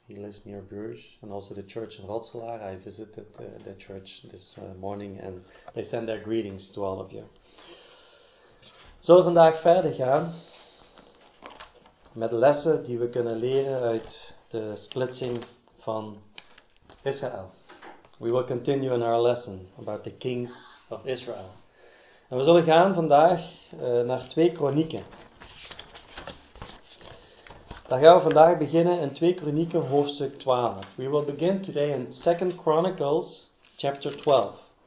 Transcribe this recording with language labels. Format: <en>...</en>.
<en>He lives near Bruges, and also the church in Rotselaar. I visited the church this morning, and they send their greetings to all of you.</en> <nl>Zullen we vandaag verder gaan met lessen die we kunnen leren uit de splitsing van Israël.</nl> <en>We will continue in our lesson about the kings of Israel.</en> <nl>En we zullen gaan vandaag naar 2 Kronieken. Daar gaan we vandaag beginnen in 2 Kronieken hoofdstuk 12.</nl> <en>We will begin today in 2 Chronicles chapter 12.</en>